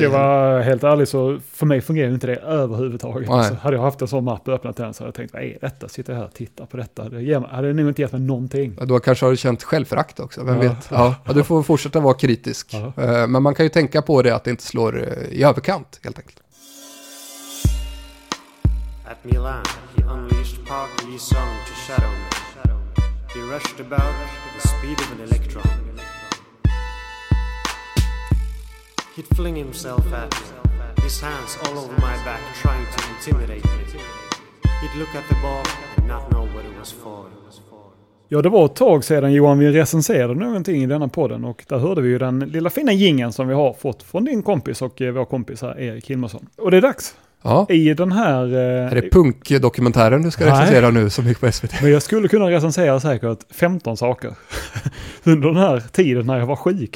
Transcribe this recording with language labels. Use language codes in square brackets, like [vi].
[sv] i. Ska jag vara helt ärlig, så för mig fungerar inte det överhuvudtaget. Alltså, hade jag haft en sån mapp öppnat den, så hade jag tänkt, vad är detta? Sitter jag här och tittar på detta? Hade det nog inte gett mig någonting? Ja, då kanske har du känt självförakt också, vem vet? Ja, du får fortsätta vara kritisk. Men man kan ju tänka på det, att det inte slår i överkant, helt enkelt. [en] At Milan, he unleashed Park Lee Sung to shadow me. He rushed about at the speed of an electron. He'd fling himself at me, his hands all over my back, trying to intimidate me. He'd look at the ball and not know what it was for. [sv] Ja, det var ett tag sedan, Johan, vi recenserade någonting i denna podden och där hörde vi ju den lilla fina gingen som vi har fått från din kompis och vår kompis här, Erik Hilmarsson. Och det är dags. Ja. I den här... Är det punkdokumentären du ska recensera nu som gick på SVT? Men jag skulle kunna recensera säkert 15 saker under den här tiden när jag var sjuk.